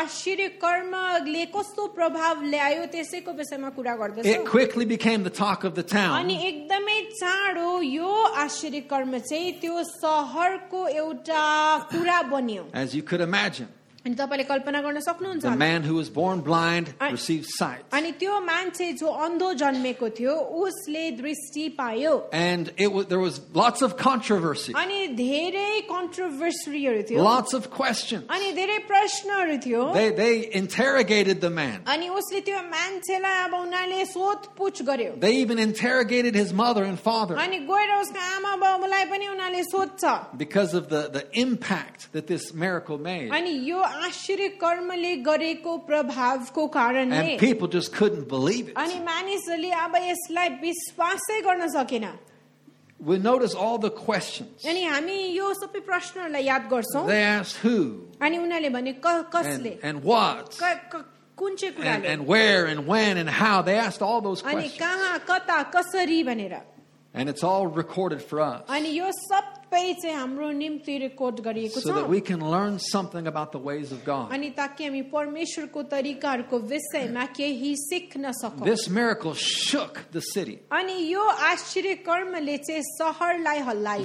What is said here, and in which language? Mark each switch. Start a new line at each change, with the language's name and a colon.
English: It quickly became the talk of the town.
Nepali: यो आश्चर्य कर्म चाहिँ त्यो सहरको एउटा कुरा बन्यो
English: As you could imagine
Nepali: अनि तपाईले कल्पना गर्न सक्नुहुन्छ
English: The man who was born blind received sight
Nepali: अनि त्यो मान्छे जो अन्धो जन्मेको थियो उसले दृष्टि पायो
English: And it was there was lots of controversy
Nepali: अनि धेरै controversyहरु थियो
English: Lots of questions
Nepali: अनि धेरै प्रश्नहरु थियो
English: They interrogated the man
Nepali: अनि उसले त्यो मान्छेलाई अब उनीहरूले सोधपुछ गर्यो
English: They even interrogated his mother and father
Nepali: अनि गएर उसको आमा बाबुलाई पनि उनीहरूले सोध्छ
English: Because of the impact that this miracle made
Nepali: अनि यो आश्चर्य कर्मले गरेको प्रभावको कारणले
English: And people just couldn't believe it.
Nepali: अनि मानिसले अब यसलाई विश्वासै गर्न सकेन
English: We notice all the questions.
Nepali: अनि हामी यो सबै प्रश्नहरूलाई याद गर्छौं
English: They asked who?
Nepali: अनि उनीहरूले भने कसले?
English: And what?
Nepali: कुन चाहिँ कुराले?
English: And where and when and how? They asked all those questions.
Nepali: अनि कहाँ कता कसरी भनेर
English: And it's all recorded for us.
Nepali: अनि यो सबै पैसे हाम्रो निम्ति रेकर्ड गरिएको छ
English: so that we can learn something about the ways of God
Nepali: अनि ताकि हामी परमेश्वरको तरिकाहरुको विषयमा केही सिक्न सकौं
English: This miracle shook the city
Nepali: अनि यो आश्चर्य कर्मले चाहिँ शहरलाई हल्लायो